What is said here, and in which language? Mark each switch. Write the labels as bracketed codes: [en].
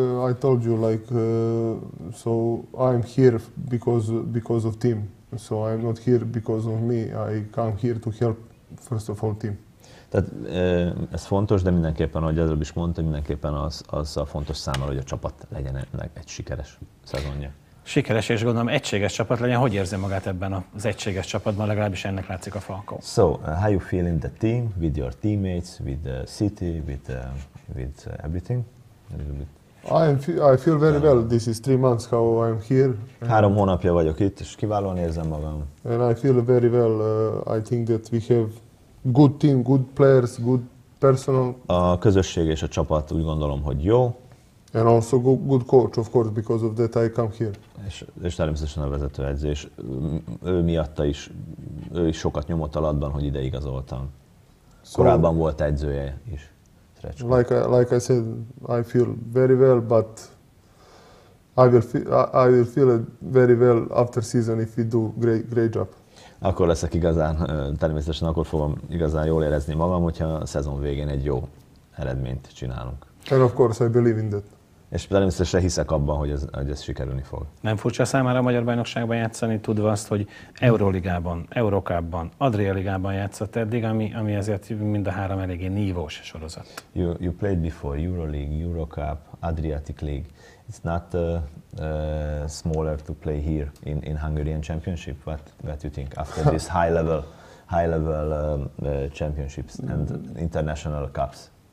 [en] I told you so I'm here because of team. So I'm not here because of me. I come here to help first of all team. [hu] Tehát ez fontos, de mindenképpen, ahogy előbb is mondtam, mindenképpen az a fontos számára, hogy a csapat legyen egy sikeres szezonja. Sikeres és gondolom egységes csapat legyen. Hogy érzi magát ebben az egységes csapatban? Legalábbis ennek látszik a Falco. [en] So, how you feel in the team, with your teammates, with the city, with everything? A little bit. I feel very well. This is 3 months how I'm here. [hu] 3 hónapja vagyok itt, és kiválóan érzem magam. [en] And I feel very well. I think that we have good team, good players, good personal. [hu] A közösség és a csapat úgy gondolom, hogy jó. [en] And also good coach, of course, because of that I come here. [hu] És természetesen a vezetőedzés. Ő miatta is, ő is sokat nyomott alattban, hogy ide igazoltam. Korábban volt edzője is. [en] Like I said, I feel very well, but I will feel very well after season if we do great job. [hu] Akkor leszek igazán, természetesen akkor fogom igazán jól érezni magam, hogyha a szezon végén egy jó eredményt csinálunk. [en] And of course I believe in that. [hu] És természetesen hiszek abban, hogy ez sikerülni fog. Nem furcsa számára a magyar bajnokságban játszani, tudva azt, hogy Euroligában, Eurocupban, Adria ligában játszott eddig, ami azért mind a három eléggé nívós sorozat. [en] You played before Euroleague, Eurocup, Adriatic League. It's not smaller to play here in Hungarian championship, what you think after this high level championships and international cups?